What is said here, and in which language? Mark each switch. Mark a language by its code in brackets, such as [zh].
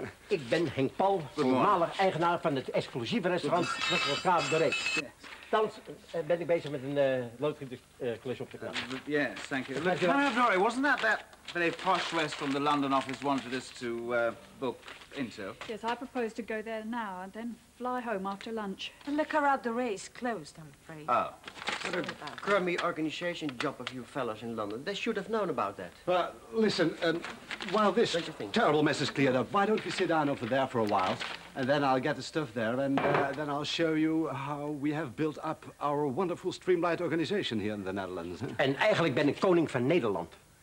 [nl] Ik ben Henk Paul, voormalig eigenaar van het exclusieve restaurant Rutgerskade de Reeks. Thans ben ik bezig met een loodgieterklusje op de kant. [en] Yes, thank you. Look, thank you. I'm sorry, wasn't that very posh west from the London office wanted us to book into? Yes, I propose to go there now and then fly home after lunch. Le Carat de Reis closed, I'm afraid. Oh. What a crummy organization job of you fellows in London. They should have known about that. Listen, while this terrible mess is cleared up, why don't we sit down over there for a while? And then I'll get the stuff there, and then I'll show you how we have built up our wonderful streamlined organization here in the Netherlands. And [nl] eigenlijk ben ik koning van Nederland.